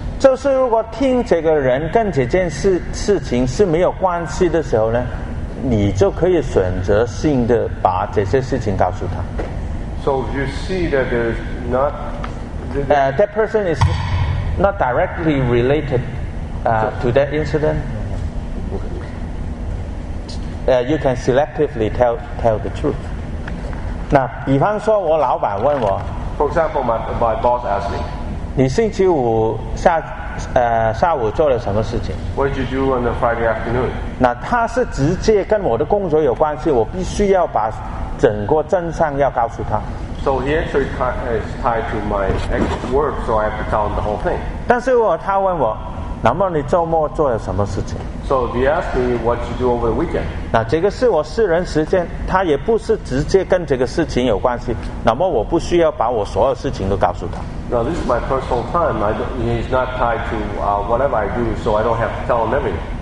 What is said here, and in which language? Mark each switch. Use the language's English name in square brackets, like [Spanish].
[Chinese] 就是如果听这个人跟这件事情是没有关系的时候呢，你就可以选择性的把这些事情告诉他。 [English] So if you see that there's not that person is not directly related to that incident. You can selectively tell the truth. [Chinese] 那比方说我老板问我， [English] For example, my boss asked me, [Chinese] 你星期五下下午做了什么事情。 [English] What did you do on the Friday afternoon? [Chinese] 那他是直接跟我的工作有关系，我必须要把整个真相要告诉他。 [English] So the answer is tied to my ex-work, so I have to tell him the whole thing. [Chinese] 但是他问我，那么你周末做了什么事情？ [English] So he asked me what you do over the weekend. [Chinese] 那这个是我私人时间，他也不是直接跟这个事情有关系，那么我不需要把我所有事情都告诉他。 [English] Now this is my personal time. He's not tied to whatever I do, so I don't have to tell him everything.